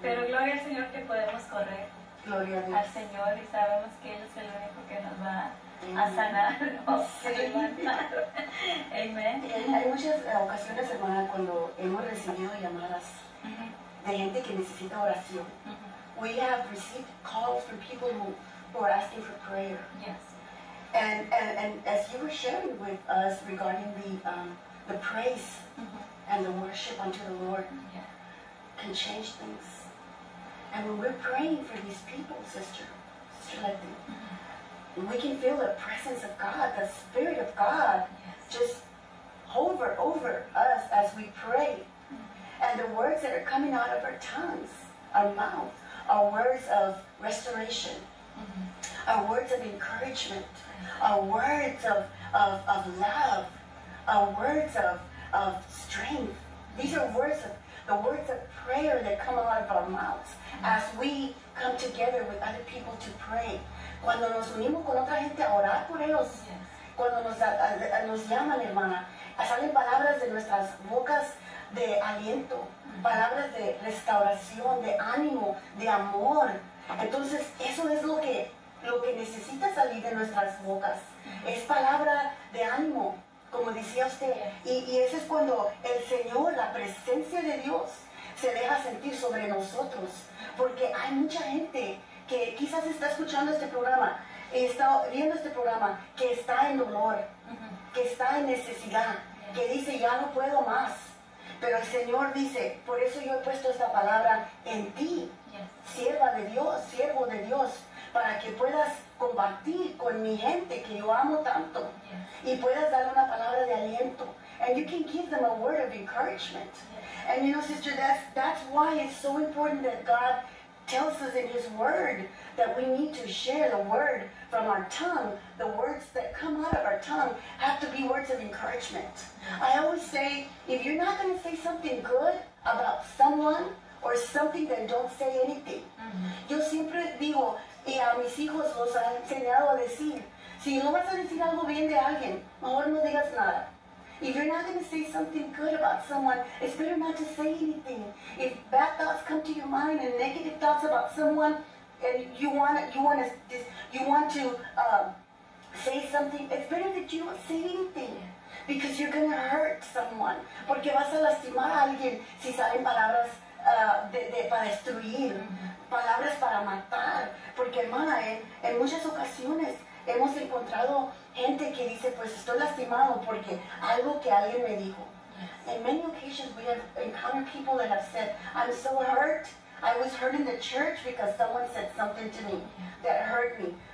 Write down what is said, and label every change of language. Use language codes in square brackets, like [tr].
[es] Pero gloria al Señor que podemos correr. Gloria a Dios. Al Señor, y sabemos que Él es el único que nos va a sanar o a levantar. Amén. Hay muchas ocasiones, hermana, cuando hemos recibido llamadas de gente que necesita oración. [en] We have received calls from people who are asking for prayer. Yes. And as you were sharing with us regarding the praise and the worship unto the Lord can change things. And when we're praying for these people, Sister Letty, we can feel the presence of God, the Spirit of God just hover over us as we pray. And the words that are coming out of our tongues, our mouth, are words of restoration. Our words of encouragement, our words of love, our words of strength. These are words of the words of prayer that come out of our mouths as we come together with other people to pray. [es] Cuando nos unimos con otra gente a orar por ellos, cuando nos llaman, hermana, salen palabras de nuestras bocas de aliento, palabras de restauración, de ánimo, de amor. Entonces, eso es lo que necesita salir de nuestras bocas. Es palabra de ánimo, como decía usted. Y eso es cuando el Señor, la presencia de Dios, se deja sentir sobre nosotros. Porque hay mucha gente que quizás está escuchando este programa, está viendo este programa, que está en dolor, que está en necesidad, que dice, ya no puedo más. Pero el Señor dice, por eso yo he puesto esta palabra en ti, sierva de Dios, siervo de Dios, para que puedas compartir con mi gente que yo amo tanto y puedas dar una palabra de aliento. [en] And you can give them a word of encouragement. And you know, sister, that's why it's so important that God tells us in His Word that we need to share the Word from our tongue. The words that come out of our tongue have to be words of encouragement. I always say, if you're not going to say something good about someone or something, then don't say anything. [es] Yo siempre digo, y a mis hijos los han enseñado a decir, si no vas a decir algo bien de alguien, mejor no digas nada. [en] If you're not going to say something good about someone, it's better not to say anything. If bad thoughts come to your mind and negative thoughts about someone, and you want to say something, it's better that you don't say anything. Because you're going to hurt someone. [es] Porque vas a lastimar a alguien si salen palabras para destruir, palabras para matar. Porque, hermana, en muchas ocasiones hemos encontrado gente que dice, pues estoy lastimado porque algo que alguien me dijo. [en] In many occasions we have encountered people that have said, I'm so hurt. I was hurt in the church because someone said something to me that hurt me.